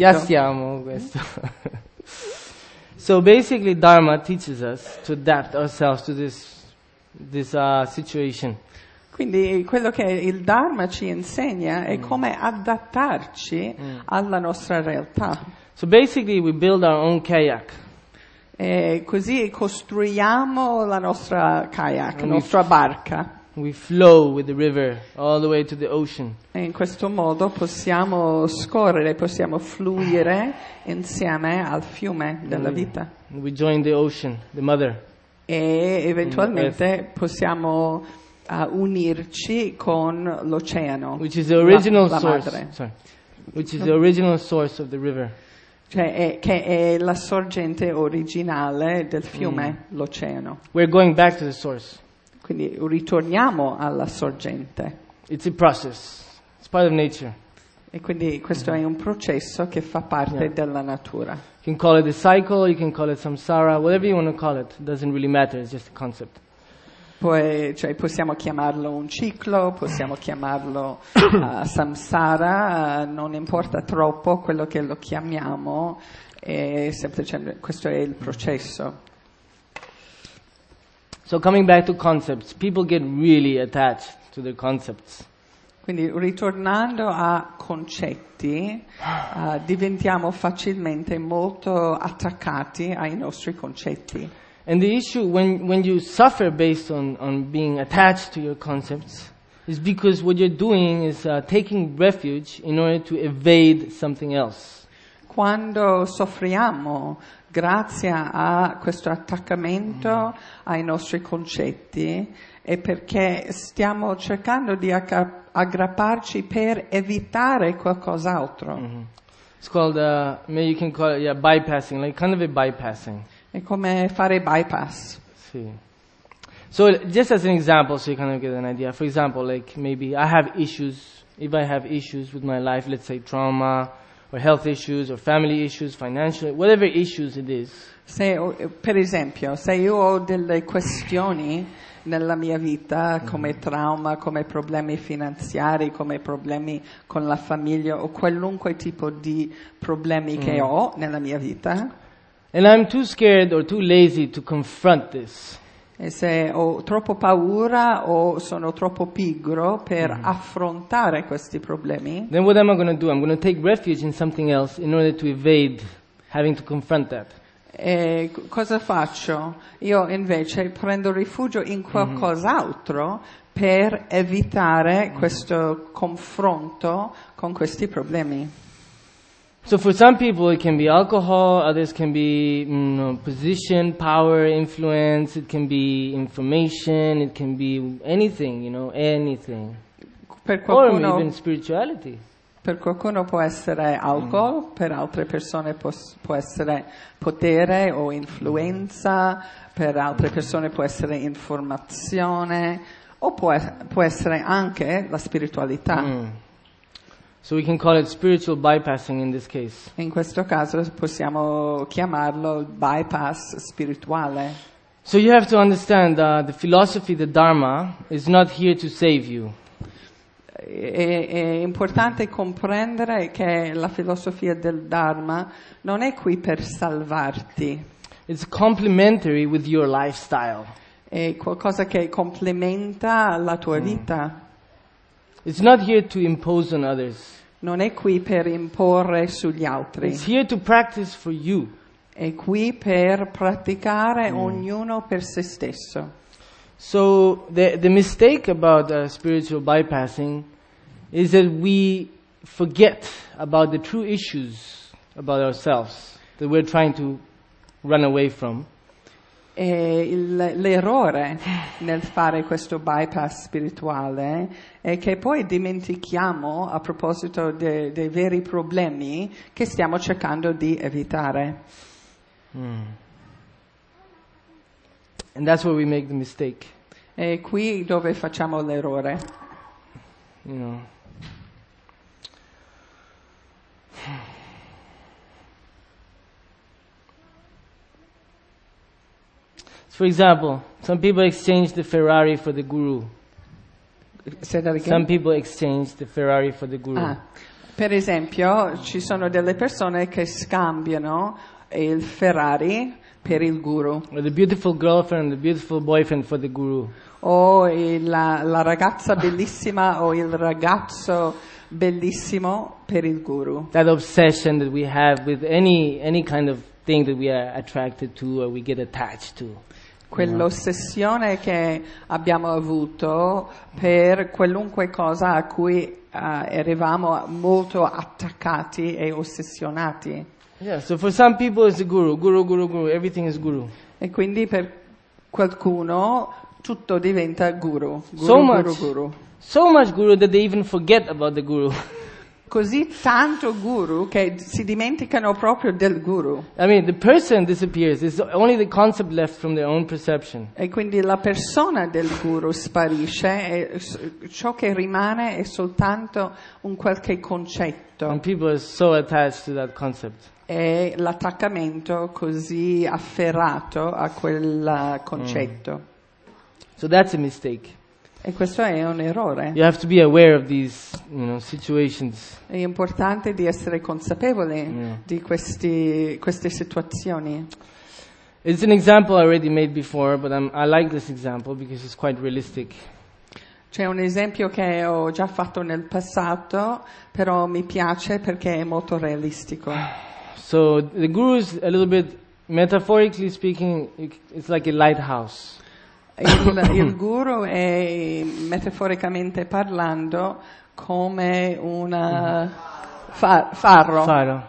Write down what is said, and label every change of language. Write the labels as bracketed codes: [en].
[it] Già siamo questo. [en] So basically Dharma teaches us to adapt ourselves to this situation. [it] Quindi quello che il Dharma ci insegna è come adattarci alla nostra realtà. [en] So basically we build our own kayak. [it] E così costruiamo la nostra kayak, la nostra barca. [en] We flow with the river all the way to the ocean. [it] E in questo modo possiamo scorrere, possiamo fluire insieme al fiume della vita. [en] We join the ocean, the mother. [it] E eventualmente possiamo unirci con l'oceano. [en] Which is the original [it] la [en] source. [it] Madre. [en] Sorry. Which is the original source of the river. [it] Cioè che è la sorgente originale del fiume, l'oceano. [en] We're going back to the source. [it] Quindi ritorniamo alla sorgente. [en] It's a process. It's part of nature. [it] E quindi questo è un processo che fa parte della natura. [en] You can call it a cycle, you can call it samsara, whatever you want to call it, doesn't really matter, it's just a concept. [it] Poi, cioè, possiamo chiamarlo un ciclo, possiamo chiamarlo samsara, non importa troppo quello che lo chiamiamo, è semplicemente, questo è il processo. [en] So coming back to concepts, people get really attached to the concepts. [it] Quindi ritornando a concetti, diventiamo facilmente molto attaccati ai nostri concetti. [en] And the issue when you suffer based on being attached to your concepts is because what you're doing is taking refuge in order to evade something else. [it] Quando soffriamo grazie a questo attaccamento ai nostri concetti è perché stiamo cercando di aggrapparci per evitare qualcos'altro. [en] It's called, maybe you can call it, yeah, bypassing, like kind of a bypassing. [it] È come fare bypass. [en] Sì. So just as an example, so you kind of get an idea. For example, like maybe I have issues, if I have issues with my life, let's say trauma, or health issues, or family issues, financial, whatever issues it is. [it] Se, per esempio, se io ho delle questioni nella mia vita, come trauma, come problemi finanziari, come problemi con la famiglia, o qualunque tipo di problemi che ho nella mia vita. [en] And I'm too scared or too lazy to confront this. [it] E se ho troppo paura o sono troppo pigro per affrontare questi problemi? [en] Then what am I going to do? I'm going to take refuge in something else in order to evade having to confront that. [it] E cosa faccio? Io invece prendo rifugio in qualcos'altro per evitare questo confronto con questi problemi. [en] So for some people it can be alcohol, others can be position, power, influence, it can be information, it can be anything, you know, anything. [it] Per qualcuno, [en] or even spirituality. [it] Per qualcuno può essere alcol, per altre persone può essere potere o influenza, per altre persone può essere informazione, o può essere anche la spiritualità. [en] So we can call it spiritual bypassing in this case. [it] In questo caso possiamo chiamarlo bypass spirituale. [en] So you have to understand the philosophy, the Dharma, is not here to save you. [it] È importante comprendere che la filosofia del Dharma non è qui per salvarti. [en] It's complementary with your lifestyle. [it] È qualcosa che complementa la tua vita. [en] It's not here to impose on others. [it] Non è qui per imporre sugli altri. [en] It's here to practice for you. [it] È qui per praticare ognuno per se stesso. [en] So the mistake about spiritual bypassing is that we forget about the true issues about ourselves that we're trying to run away from. [it] E l'errore nel fare questo bypass spirituale è che poi dimentichiamo a proposito dei veri problemi che stiamo cercando di evitare. [en] And that's where we make the mistake. [it] E qui dove facciamo l'errore. [en] For example, some people exchange the Ferrari for the guru. Say that again. Some people exchange the Ferrari for the guru. [it] Ah, per esempio, ci sono delle persone che scambiano il Ferrari per il guru. [en] Or the beautiful girlfriend, the beautiful boyfriend for the guru. [it] O la ragazza bellissima o il ragazzo bellissimo per il guru. [en] That obsession that we have with any kind of thing that we are attracted to or we get attached to. [it] Quell'ossessione che abbiamo avuto per qualunque cosa a cui eravamo molto attaccati e ossessionati. [en] Yeah, so for some people it's a guru, guru, guru, guru, everything is guru. [it] E quindi per qualcuno tutto diventa guru, guru, [en] so much, [it] guru. [en] So much guru that they even forget about the guru. [it] così tanto guru che si dimenticano proprio del guru. [en] I mean, the person disappears. It's only the concept left from their own perception. [it] E quindi la persona del guru sparisce e ciò che rimane è soltanto un qualche concetto. [en] And people are so attached to that concept. [it] E l'attaccamento così afferrato a quel concetto. [en] So that's a mistake. [it] E questo è un errore. [en] You have to be aware of these, you know, situations. [it] È importante di essere consapevole di queste situazioni. [en] It's an example I already made before, but I like this example because it's quite realistic. [it] C'è un esempio che ho già fatto nel passato, però mi piace perché è molto realistico. [en] So the guru is a little bit, metaphorically speaking, it's like a lighthouse. [it] Il guru è metaforicamente parlando come una faro.